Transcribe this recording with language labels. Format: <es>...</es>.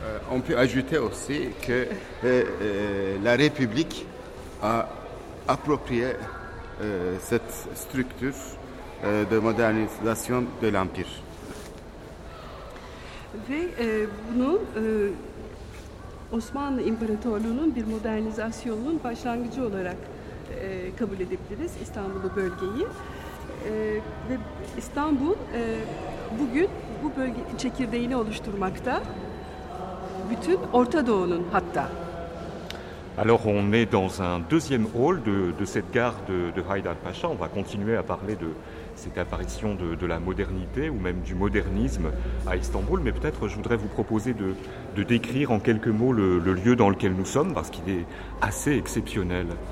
<fr>On peut ajouter aussi que la République a approprié cette structure de modernisation de l'Empire.</fr> <tr>Ve bunu Osmanlı İmparatorluğu'nun bir modernizasyonunun başlangıcı olarak kabul edebiliriz İstanbul'u bölgeyi. Ve İstanbul bugün bu bölge çekirdeğini oluşturmakta. Bütün Orta Doğu'nun hatta.</tr> <fr>Alors on est dans un deuxième hall de cette gare de Haydar Pasha. On va continuer à parler de cette apparition de la modernité ou même du modernisme à Istanbul. Mais peut-être je voudrais vous proposer de décrire en quelques mots le lieu dans lequel nous sommes, parce qu'il est assez exceptionnel.</fr>